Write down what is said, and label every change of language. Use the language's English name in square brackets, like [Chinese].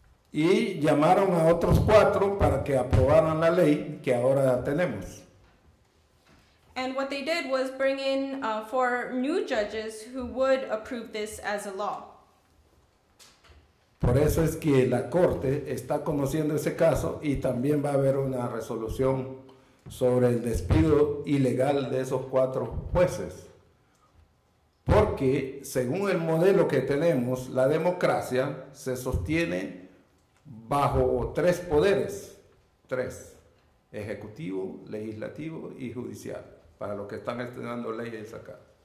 [Spanish] Y llamaron a otros cuatro para que aprobaran la ley que ahora tenemos. [English] And what they did was bring in four new judges who would approve this as a law. [Spanish] Por eso es que la Corte está conociendo ese caso y también va a haber una resolución sobre el despido ilegal de esos cuatro jueces. Porque según el modelo que tenemos, la democracia se sostiene bajo tres poderes, tres, ejecutivo, legislativo y judicial, para los que están estudiando leyes acá.